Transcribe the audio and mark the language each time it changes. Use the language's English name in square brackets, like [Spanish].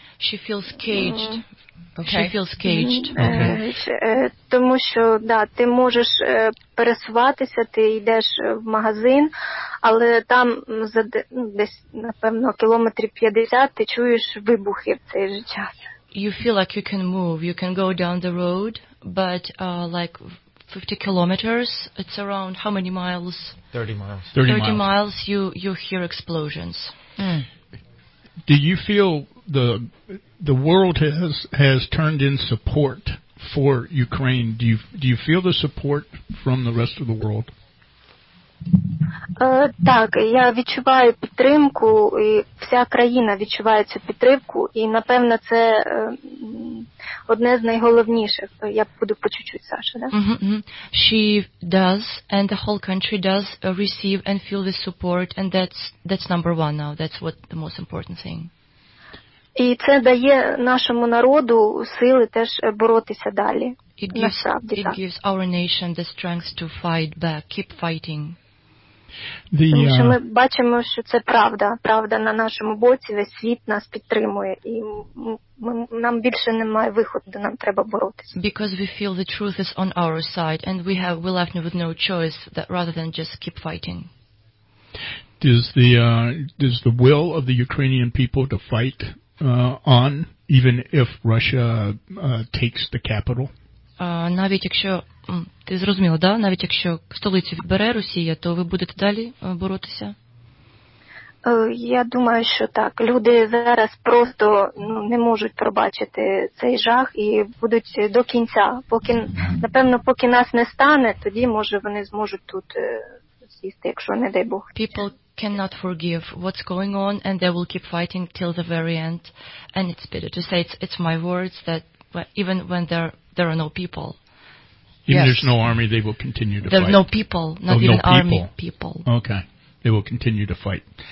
[English] She feels caged. Okay. She feels caged. [Ukrainian] Тому що, да, ти можеш пересуватися, ти йдеш в магазин, але там за десь, напевно, кілометрів 50 ти чуєш вибухи в цей же час. [English] You feel like you can move, you can go down the road, but like 50 kilometers, it's around how many miles? 30 miles, you hear explosions. Mm. Do you feel the world has turned in support for Ukraine? Do you feel the support from the rest of the world? [Ukrainian] Так, я відчуваю підтримку, і вся країна відчуває цю підтримку, і, напевно, це одне з найголовніших. Я буду по чуть-чуть, Саша, да? Mm-hmm. [English] She does, and the whole country does receive and feel the support, and that's number one now. That's what the most important thing. [Ukrainian] І це дає нашому народу сили теж боротися далі. [English] It gives our nation the strength to fight back, keep fighting. [Ukrainian] Тому що ми бачимо, що це правда. Правда на нашому боці, весь світ нас підтримує. І нам більше немає виходу, нам треба боротися. [English] Because we feel the truth is on our side, and we're left with no choice that rather than just keep fighting. Does the will of the Ukrainian people to fight on, even if Russia takes the capital? [Ukrainian] Навіть якщо, ти зрозуміла, да? Навіть якщо столицю відбере Росія, то ви будете далі боротися? Я думаю, що так. Люди зараз просто не можуть пробачити цей жах і будуть до кінця. Поки нас не стане, тоді, може, вони зможуть тут сісти, якщо не дай Бог. [English] People cannot forgive what's going on, and they will keep fighting till the very end. And it's better to say it's my words, that even when there are no people. Even yes. There's no army, they will continue to there's fight. There's no people, not oh, even no people. Army people. Okay. They will continue to fight.